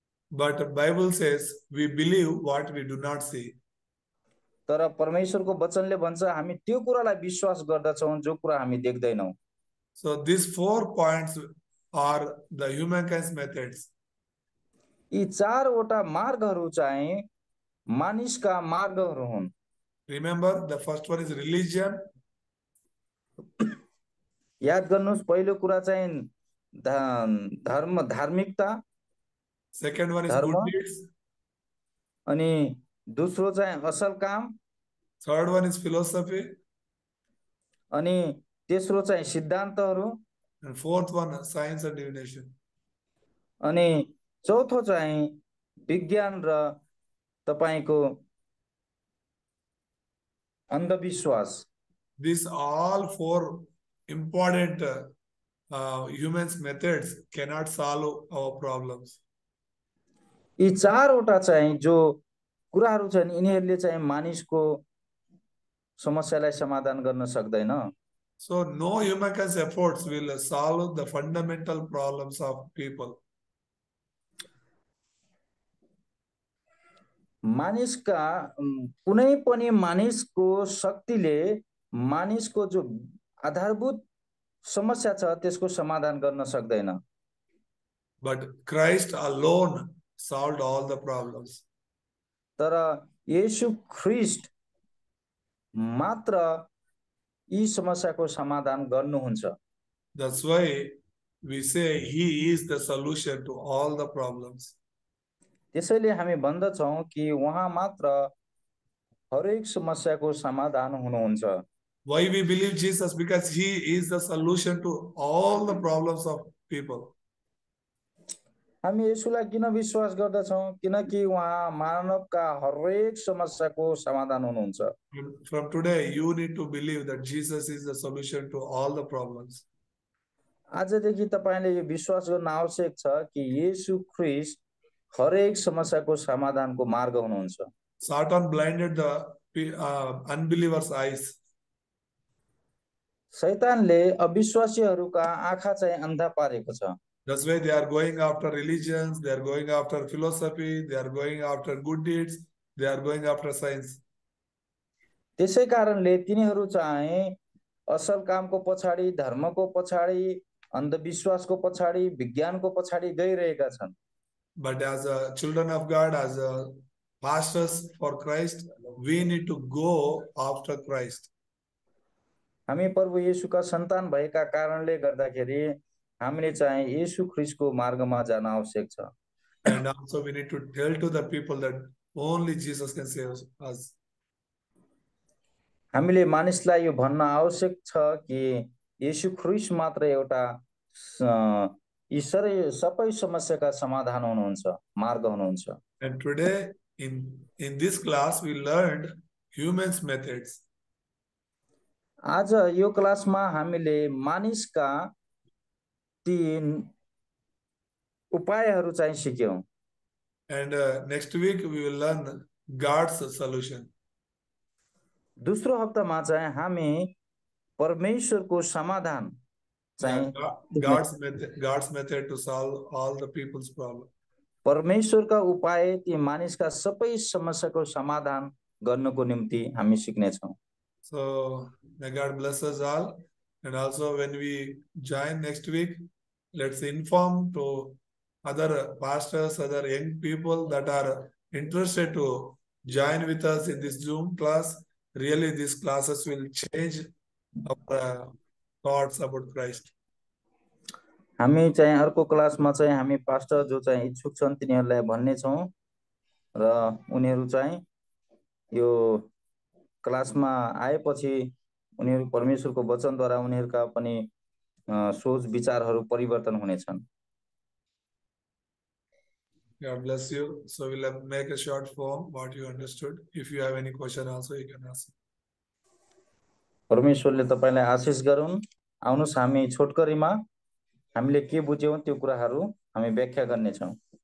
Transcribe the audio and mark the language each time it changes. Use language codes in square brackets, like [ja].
[en] But the Bible says we believe what we do not see. [ne] तर परमेश्वरको वचनले भन्छ हामी त्यो कुरालाई विश्वास गर्दछौँ जो कुरा हामी देख्दैनौँ [en] So these four points are the humankind's methods. [ne] यी चारवटा मार्गहरू चाहिँ मानिसका मार्गहरू हुन् [en] Remember, the first one is religion. [ne] याद गर्नुहोस् पहिलो कुरा चाहिँ धर्म धार्मिकता [en] Second one is good deeds. [ne] अनि दोस्रो चाहिँ असल काम [en] Third one is philosophy. [ne] अनि तेस्रो चाहिँ सिद्धान्तहरू [en] And fourth one, science and divination. [ne] अनि चौथो चाहिँ विज्ञान र तपाईँको अन्धविश्वास [en] These all four important human's methods cannot solve our problems. [ne] यी चारवटा चाहिँ जो कुराहरू छन् यिनीहरूले चाहिँ मानिसको समस्यालाई समाधान गर्न सक्दैन [en] So no humankind's efforts will solve the fundamental problems of people. [ne] मानिसका कुनै पनि मानिसको शक्तिले मानिसको जो आधारभूत समस्या छ त्यसको समाधान गर्न सक्दैन [en] But Christ alone solved all the problems. [ne] तर येशु ख्रीष्ट मात्र यी समस्याको समाधान गर्नुहुन्छ [en] That's why we say he is the solution to all the problems. [ne] त्यसैले हामी भन्दछौँ कि उहाँ मात्र हरेक समस्याको समाधान हुनुहुन्छ [en] Why we believe Jesus? Because he is the solution to all the problems of people. [ne] हामी येशूलाई किन विश्वास गर्दछौँ किनकि उहाँ मानवका हरेक समस्याको समाधान हुनुहुन्छ [en] From today, you need to believe that Jesus is the solution to all the problems. [ne] आजदेखि तपाईँले यो विश्वास गर्न आवश्यक छ कि येशु ख्रीष्ट हरेक समस्याको समाधानको मार्ग हुनुहुन्छ [en] Satan blinded the unbelievers' eyes. [ne] शैतानले अविश्वासीहरूका आँखा चाहिँ अन्ध पारेको छ [en] That's why they are going after religions, they are going after philosophy, they are going after good deeds, they are going after science. [ne] त्यसै कारणले तिनीहरू चाहिँ असल कामको पछाडि धर्मको पछाडि अन्धविश्वासको पछाडि विज्ञानको पछाडि गइरहेका छन् [en] But as a children of God, as a pastors for Christ, we need to go after Christ. [ne] हामी प्रभु येशूका सन्तान भएका कारणले गर्दाखेरि हामीले चाहिँ येशू ख्रीष्टको मार्गमा जान आवश्यक छ. [en] And also we need to tell to the people that only Jesus can save us. [ne] हामीले मानिसलाई यो भन्न आवश्यक छ कि येशू ख्रीष्ट मात्र एउटा ईश्वरै सबै समस्याका समाधान हुनुहुन्छ, मार्ग हुनुहुन्छ. [en] And today in this class we learned human's methods. [ne] आज यो क्लासमा हामीले मानिसका तीन उपायहरू चाहिँ सिक्यौं. [en] And next week we will learn God's solution. [ne] दोस्रो हप्तामा चाहिँ हामी परमेश्वरको समाधान चाहिँ [en] God's method to solve all the people's problem. [ne] परमेश्वरका उपाय ती मानिसका सबै समस्याको समाधान गर्नको निम्ति हामी सिक्नेछौँ. [en] So may God bless us all, and also when we join next week, let's inform to other pastors, other young people that are interested to join with us in this Zoom class. Really, these classes will change our thoughts about Christ. [ne] हामी चाहिँ अर्को क्लासमा चाहिँ हामी pastor जो चाहिँ इच्छुक छन् तिनीहरूलाई भन्नेछौँ, र उनीहरू चाहिँ यो क्लासमा आएपछि उनीहरू परमेश्वरको वचनद्वारा उनीहरूका पनि सोच विचारहरू परिवर्तन हुनेछन्. [en] God bless you. So we'll make a short form what you understood. If you have any question also, you can ask. [ne] परमेश्वरले तपाईँलाई आशिष गरून्. आउनुहोस् हामी छोटकरीमा हामीले के बुझ्यौँ त्यो कुराहरू हामी व्याख्या गर्नेछौँ.